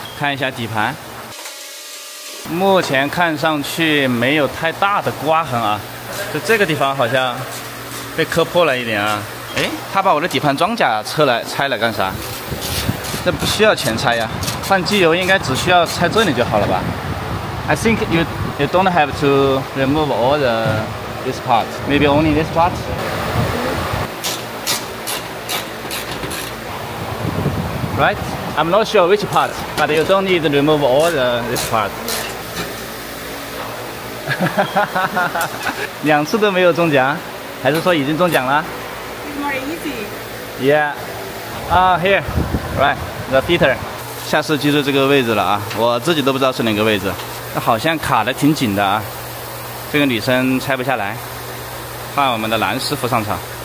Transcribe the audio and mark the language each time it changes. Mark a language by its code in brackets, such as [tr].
[zh] 看一下底盘，目前看上去没有太大的刮痕啊，就这个地方好像被磕破了一点啊。哎，他把我的底盘装甲车来拆了干啥？那不需要钱拆呀，换机油应该只需要拆这里就好了吧。 [en] I think you don't have to remove all the this part, maybe only this part。 Right, I'm not sure which part, but you don't need to remove all the this part. [zh] 两次都没有中奖，还是说已经中奖了？ [en] It's more easy. Yeah. Here, right, the fitter. [zh] 下次记住这个位置了啊，我自己都不知道是哪个位置。那好像卡得挺紧的啊，这个女生拆不下来，换我们的男师傅上场。